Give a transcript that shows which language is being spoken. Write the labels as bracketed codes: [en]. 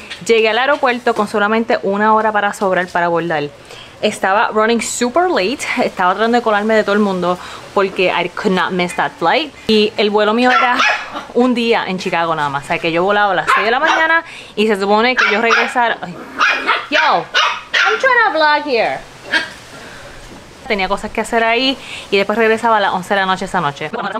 [es] Llegué al aeropuerto con solamente una hora para sobrar para abordar. Estaba [en] running super late, [es] estaba tratando de colarme de todo el mundo porque [en] I could not miss that flight. [es] Y el vuelo mío era un día en Chicago nada más, o sea que yo volaba a las 6 de la mañana y se supone que yo regresara. [en] Yo, I'm trying to vlog here. [es] Tenía cosas que hacer ahí y después regresaba a las 11 de la noche esa noche.